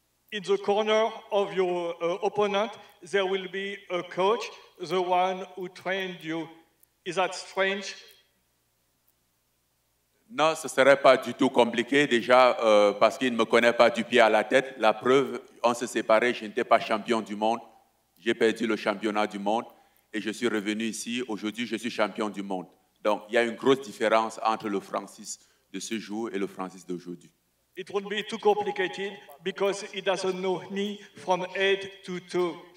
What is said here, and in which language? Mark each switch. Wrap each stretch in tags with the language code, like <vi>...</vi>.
<en>In the corner of your opponent, there will be a coach, the one who trained you. Is that strange?</en> <fr>Non, ce serait pas du tout compliqué, déjà, parce qu'il ne me connaît pas du pied à la tête. La preuve, on s'est séparés, je n'étais pas champion du monde. J'ai perdu le championnat du monde et je suis revenu ici. Aujourd'hui, je suis champion du monde. Donc, il y a une grosse différence entre le Francis de ce jour et le Francis d'aujourd'hui.</fr> <en>It won't be too complicated because he doesn't know me from head to toe.</en>